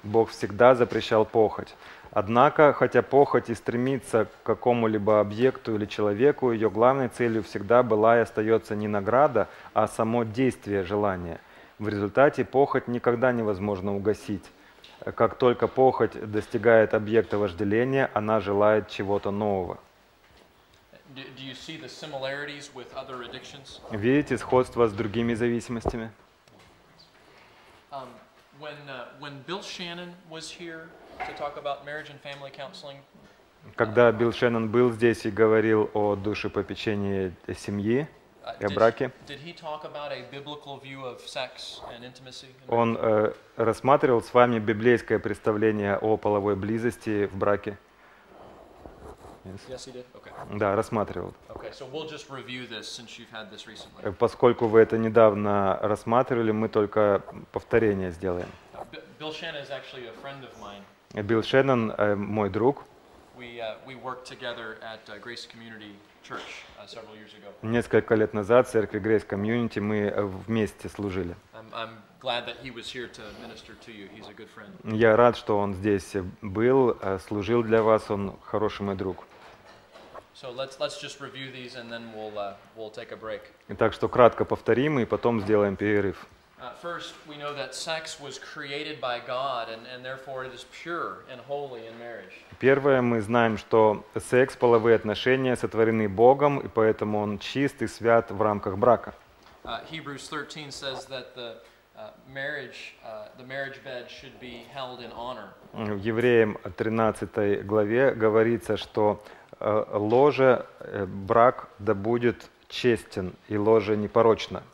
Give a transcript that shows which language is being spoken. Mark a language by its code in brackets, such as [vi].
[ru] Бог всегда запрещал похоть. Однако, хотя похоть и стремится к какому-либо объекту или человеку, ее главной целью всегда была и остается не награда, а само действие желания. В результате похоть никогда невозможно угасить. Как только похоть достигает объекта вожделения, она желает чего-то нового. [en] Do you see the similarities with other addictions? [ru] Видите сходство с другими зависимостями? [en] When Bill Shannon was here to talk about marriage and family counseling. [ru] Когда Билл Шеннон был здесь и говорил о душепопечении семьи и о браке. [en] Did he talk about a biblical view of sex and intimacy? [ru] Он рассматривал с вами библейское представление о половой близости в браке. [en] Yes. Yes, he did. Okay. [ru] Да, рассматривал. [en] Okay, so we'll just review this since you've had this recently. [ru] Поскольку вы это недавно рассматривали, мы только повторение сделаем. [en] Bill Shannon is actually a friend of mine. [ru] Билл Шеннон мой друг. [en] We worked together at Grace Community Church several years ago. [ru] Несколько лет назад в церкви Grace Community мы вместе служили. [en] I'm glad that he was here to minister to you. He's a good friend. [ru] Я рад, что он здесь был, служил для вас. Он хороший мой друг. [en] So let's just review these and then we'll take a break. [ru] Итак, что кратко повторим и потом сделаем перерыв. [en] First, we know that sex was created by God and therefore it is pure and holy in marriage. [ru] Первое, мы знаем, что секс, половые отношения сотворены Богом и поэтому он чист и свят в рамках брака. [en] Hebrews 13 says that the marriage bed should be held in honor. [ru] В Евреям 13 главе говорится, что ложе брак да будет честен и ложе непорочно.